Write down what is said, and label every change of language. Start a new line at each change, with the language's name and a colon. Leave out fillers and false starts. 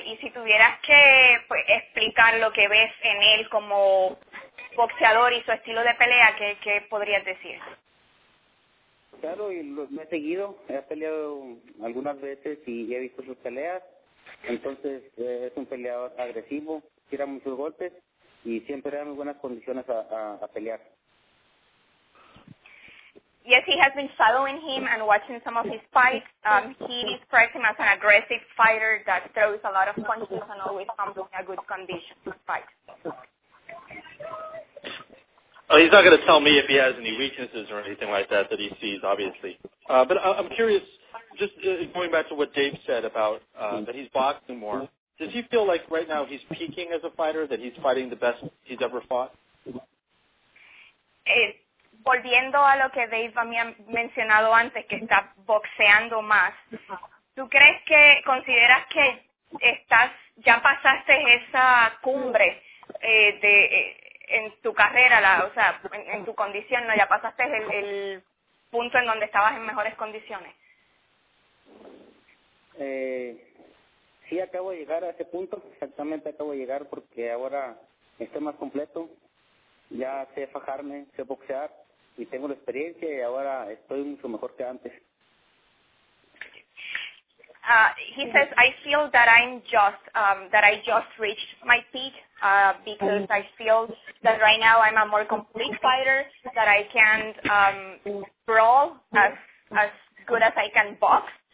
Spanish: Y si tuvieras que explicar lo que ves en él como boxeador y su estilo de pelea, ¿qué podrías decir? Claro, y me he seguido, he peleado algunas veces y he visto sus peleas, entonces es un peleador agresivo, tira muchos golpes y siempre da muy buenas condiciones a pelear.
English: Yes, he has been following him and watching some of his fights. He describes him as an aggressive fighter that throws a lot of punches and always comes in a good condition to fight. Oh, he's not going to tell me if he has any weaknesses or anything like that that he sees, obviously. But I'm curious, just going back to what Dave said about that he's boxing more, does he feel like right now he's peaking as a fighter, that he's fighting the best he's ever fought?
Spanish: Volviendo a lo que Dave había mencionado antes, que está boxeando más, ¿tú crees que consideras que estás, ya pasaste esa cumbre en tu carrera, en tu condición, ¿no? ¿Ya pasaste el punto en donde estabas en mejores condiciones? Sí, acabo de llegar a ese punto, exactamente acabo de llegar, porque ahora estoy más completo, ya sé fajarme, sé boxear, y tengo la experiencia, y ahora estoy mucho mejor que antes.
English: He says, I feel that I just reached my peak, because I feel that right now I'm a more complete fighter, that I can brawl as good as I can box.